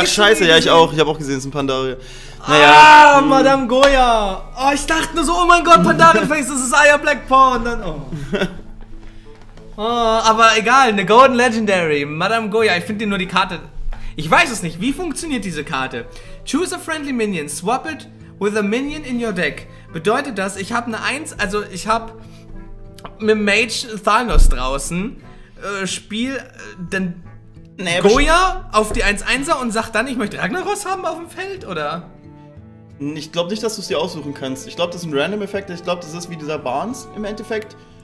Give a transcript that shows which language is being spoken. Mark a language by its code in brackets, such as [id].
[de] Ach, scheiße, ja, ich auch. Ich hab auch gesehen, es ist ein Pandaria. Naja. Ah, Madame Goya! Oh, ich dachte nur so, oh mein Gott, Pandaria-Face, das ist Aya Blackpaw. Und dann, oh. Oh, aber egal, eine Golden Legendary. Madame Goya, ich finde dir nur die Karte. Ich weiß es nicht, wie funktioniert diese Karte? [en] Choose a friendly minion, swap it with a minion in your deck. [de] Bedeutet das, ich habe eine 1, also ich habe mit Mage Thanos draußen, spiel dann Goya auf die 1-1er und sag dann, ich möchte Ragnaros haben auf dem Feld, oder? Ich glaube nicht, dass du es dir aussuchen kannst. Ich glaube, das ist ein Random-Effekt. Ich glaube, das ist wie dieser Barnes im Endeffekt.